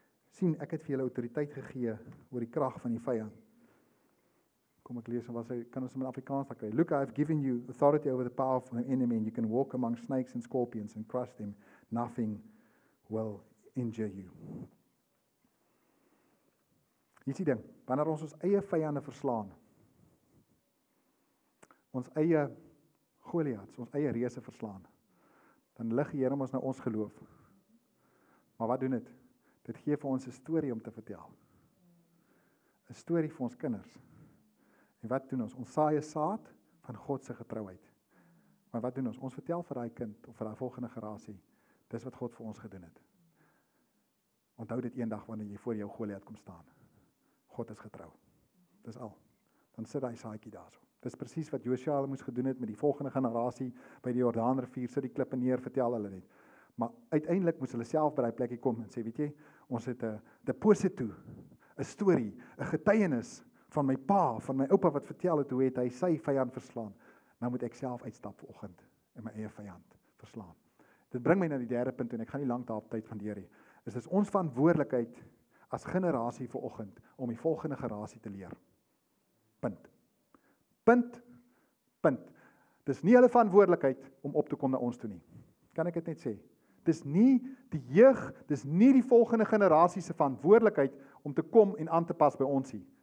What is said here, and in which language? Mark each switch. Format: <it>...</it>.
<af>Sien, ek het vir julle autoriteit gegee oor die krag van die vyand. Kom ek lees, wat sy, kan ons in Afrikaans daar kry.</af> <en>Look, I have given you authority over the power of an enemy and you can walk among snakes and scorpions and crush them. Nothing will injure you.</en> <af>Hier is die ding, wanneer ons eie vyande verslaan, ons eie Goliaths, ons eie reëse verslaan, dan lig die Here ons nou ons geloof. Maar wat doen dit? Dit gee vir ons 'n storie om te vertel. 'N storie vir ons kinders. En wat doen ons? Ons saai 'n saad van God se getrouheid. Maar wat doen ons? Ons vertel vir daai kind of vir daai volgende generasie, dis wat God vir ons gedoen het. Onthou dit eendag wanneer jy voor jou Goliat kom staan. God is getrou. Dis al. Dan sit hy saadjie daarso. Dis presies wat Josua moes gedoen het met die volgende generasie by die Jordaanrivier, sit die klippe neer, vertel hulle net. Maar uiteindelik moes hulle self by die plekkie kom en sê, weet jy, ons het 'n deposito, 'n story, 'n getuienis van my pa, van my oupa wat vertel het hoe het hy sy vyand verslaan. Nou moet ek self uitstap vanoggend en my eie vyand verslaan. Dit bring my na die derde punt en ek gaan nie lank daarop tyd spandeer nie. Is dis ons verantwoordelikheid as generasie vanoggend om die volgende generasie te leer. Punt. Punt. Punt. Dis nie hulle verantwoordelikheid om op te kom na ons toe nie. Kan ek dit net sê? Dis nie die jeug, dis nie die volgende generasie se verantwoordelikheid om te kom en aan te pas by ons nie.</af>